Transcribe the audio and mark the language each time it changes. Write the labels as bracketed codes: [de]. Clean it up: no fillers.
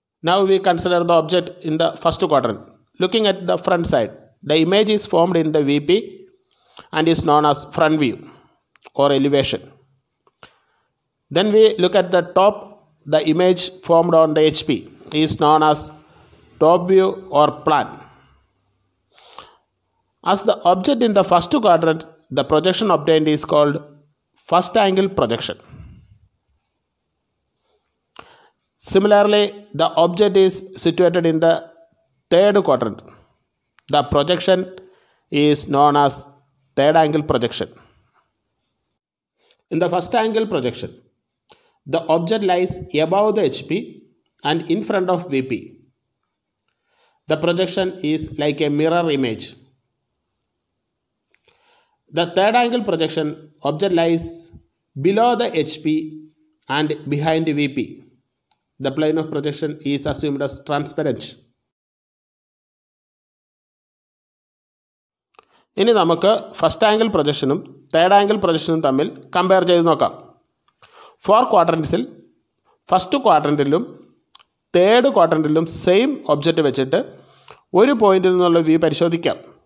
[en] Now we consider the object in the first quadrant. Looking at the front side, the image is formed in the VP and is known as front view or elevation. Then we look at the top, the image formed on the HP is known as top view or plan. As the object in the first quadrant, the projection obtained is called first angle projection. Similarly, the object is situated in the third quadrant, the projection is known as third angle projection. In the first angle projection, the object lies above the HP and in front of VP. The projection is like a mirror image. The third angle projection, object lies below the HP and behind the VP. The plane of projection is assumed as transparent. [ml] ഇനി നമുക്ക് first angle പ്രൊജക്ഷനും third angle പ്രൊജക്ഷനും തമ്മിൽ compare ചെയ്ത് നോക്കാം. Four ക്വാഡ്രൻസിൽ first ക്വാഡ്രൻറ്റിലും third ക്വാഡ്രൻറ്റിലും same object വെച്ചിട്ട് ഒരു പോയിന്റിൽ നിന്നുള്ള view പരിശോധിക്കാം.